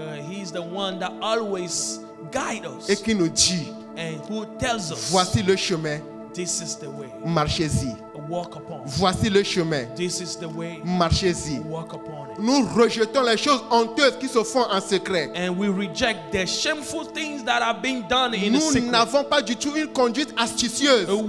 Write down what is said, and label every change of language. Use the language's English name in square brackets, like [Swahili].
[English] He's the one that always guide us. [French] Et qui nous dit. [English] And who tells us, [French] voici le chemin. [English] This is the way. [French] Marchez-y. [English] Walk upon. [French] Voici le chemin. [English] This is the way. [French] Marchez-y. [English] Walk upon it. [French] Nous rejetons les choses honteuses qui se font en secret. [English] And we reject the shameful things that are being done in [French] nous [English] secret. [French] Nous n'avons pas du tout une conduite astucieuse.